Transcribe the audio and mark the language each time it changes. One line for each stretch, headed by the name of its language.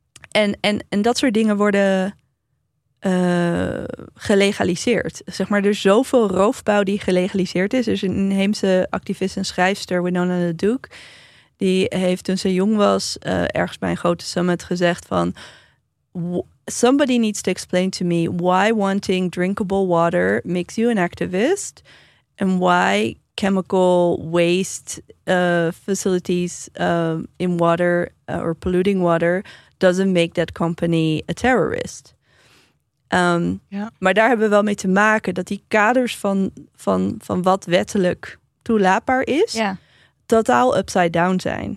Dutch: En dat soort dingen worden gelegaliseerd. Zeg maar, er is zoveel roofbouw die gelegaliseerd is. Er is een inheemse activist en schrijfster, Winona the Duke. Die heeft toen ze jong was ergens bij een grote summit gezegd van...
English: Somebody needs to explain to me why wanting drinkable water makes you an activist and why chemical waste facilities in water or polluting water doesn't make that company a terrorist.
Dutch: Maar daar hebben we wel mee te maken dat die kaders van wat wettelijk toelaatbaar is, totaal
English: upside down
Dutch: zijn.